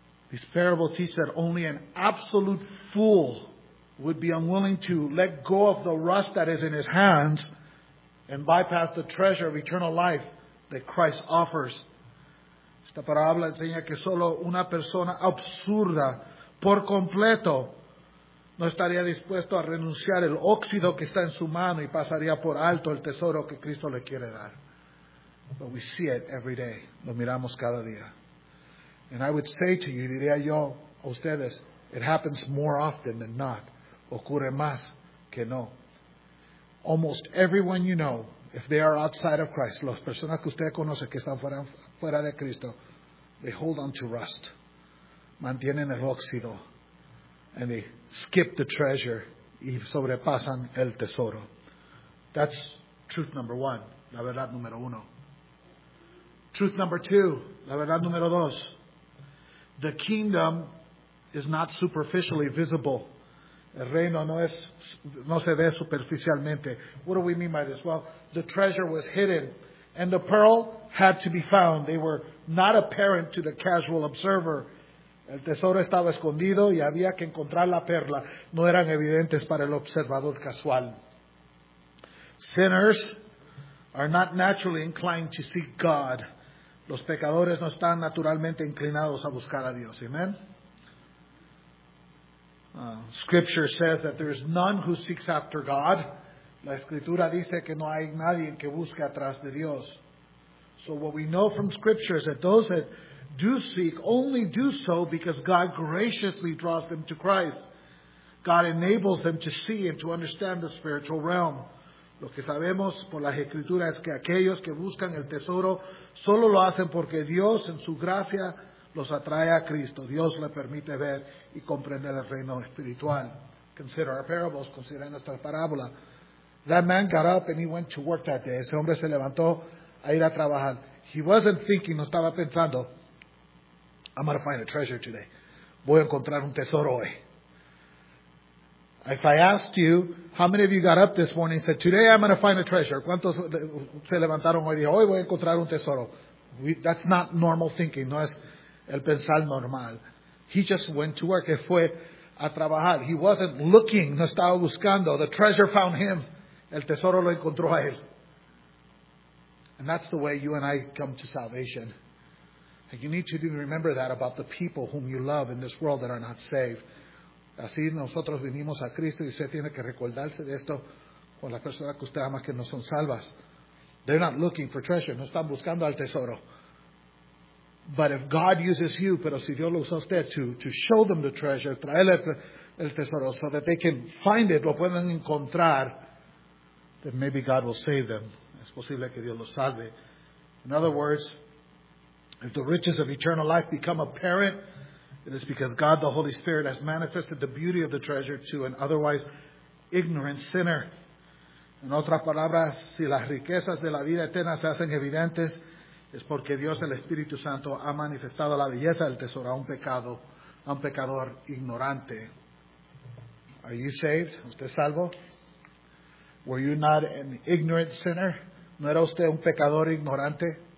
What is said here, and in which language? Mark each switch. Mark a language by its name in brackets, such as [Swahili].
[English] These parables teach that only an absolute fool would be unwilling to let go of the rust that is in his hands and bypass the treasure of eternal life that Christ offers. [Spanish] Esta parábola enseña que solo una persona absurda por completo no estaría dispuesto a renunciar el óxido que está en su mano y pasaría por alto el tesoro que Cristo le quiere dar. [English] But we see it every day. [Spanish] Lo miramos cada día. [English] And I would say to you, [Spanish] diría yo a ustedes, [English] it happens more often than not. [Spanish] Ocurre más que no. [English] Almost everyone you know, if they are outside of Christ, [Spanish] las personas que usted conoce que están fuera de Cristo, [English] they hold on to rust. [Spanish] Mantienen el óxido. [English] And they skip the treasure [Spanish] y sobrepasan el tesoro. [English] That's truth number one, [Spanish] la verdad número uno. [English] Truth number two, [Spanish] la verdad número dos. [English] The kingdom is not superficially visible. [Spanish] El reino no se ve superficialmente. [English] What do we mean by this? Well, the treasure was hidden, and the pearl had to be found. They were not apparent to the casual observer. [Spanish] El tesoro estaba escondido y había que encontrar la perla. No eran evidentes para el observador casual. [English] Sinners are not naturally inclined to seek God. [Spanish] Los pecadores no están naturalmente inclinados a buscar a Dios. [English] Amen. Scripture says that there is none who seeks after God. [Spanish] La escritura dice que no hay nadie que busque atrás de Dios. [English] So what we know from Scripture is that those that do seek only do so because God graciously draws them to Christ. God enables them to see and to understand the spiritual realm. [Spanish] Lo que sabemos por las escrituras es que aquellos que buscan el tesoro solo lo hacen porque Dios en su gracia los atrae a Cristo. Dios le permite ver y comprender el reino espiritual. [English] Consider our parables, [Spanish] considera nuestra parábola. [English] That man got up and he went to work that day. [Spanish] Ese hombre se levantó a ir a trabajar. [English] He wasn't thinking, [Spanish] no estaba pensando, [English] I'm going to find a treasure today. [Spanish] Voy a encontrar un tesoro hoy. [English] If I asked you, how many of you got up this morning and said, today I'm going to find a treasure. [Spanish] ¿Cuántos se levantaron hoy y dijeron, hoy voy a encontrar un tesoro? [English] That's not normal thinking. [Spanish] No es el pensar normal. [English] He just went to work. [Spanish] Él fue a trabajar. [English] He wasn't looking. [Spanish] No estaba buscando. [English] The treasure found him. [Spanish] El tesoro lo encontró a él. [English] And that's the way you and I come to salvation. And you need to remember that about the people whom you love in this world that are not saved. [Spanish] Así nosotros vinimos a Cristo y usted tiene que recordarse de esto con las personas que usted ama que no son salvas. [English] They're not looking for treasure. [Spanish] No están buscando al tesoro. [English] But if God uses you, [Spanish] pero si Dios lo usa usted [English] to show them the treasure, [Spanish] traerle el tesoro [English] so that they can find it, [Spanish] lo pueden encontrar, [English] then maybe God will save them. [Spanish] Es posible que Dios los salve. [English] In other words, if the riches of eternal life become apparent, it is because God, the Holy Spirit, has manifested the beauty of the treasure to an otherwise ignorant sinner. [Spanish] En otras palabras, si las riquezas de la vida eterna se hacen evidentes, es porque Dios, el Espíritu Santo, ha manifestado la belleza del tesoro a un pecador ignorante. [English] Are you saved? [Spanish] ¿Usted salvo? [English] Were you not an ignorant sinner? [Spanish] ¿No era usted un pecador ignorante?